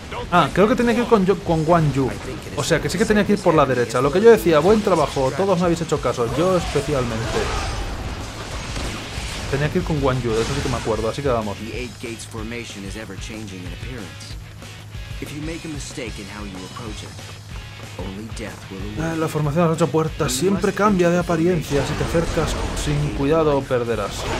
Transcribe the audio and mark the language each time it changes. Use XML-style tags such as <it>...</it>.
<es>Ah, creo que tenía que ir con Guan Yu. O sea, que sí que tenía que ir por la derecha. Lo que yo decía, buen trabajo, todos me habéis hecho caso, yo especialmente. Tenía que ir con Guan Yu, de eso sí que me acuerdo, así que vamos.</es> <en>The Eight Gates formation is ever changing in appearance. If you make a mistake in how you approach it, only death will win.</en> <es>La formación de las ocho puertas siempre cambia de apariencia. Si te acercas sin cuidado, perderás.</es>